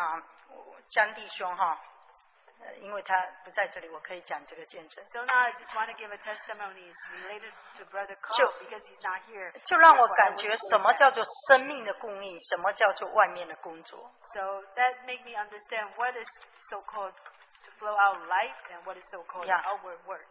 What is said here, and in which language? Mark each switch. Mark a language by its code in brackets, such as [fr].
[zh] 所以我就觉得讲到这一点的时候，我讲一个见证就是啊，江弟兄哈。 [en] So now I just want to give a testimony related to Brother Cole because he's not here. [zh] 就让我感觉什么叫做生命的供应，什么叫做外面的工作。So [en] that made me understand what is so called to flow out life and what is so called outward work.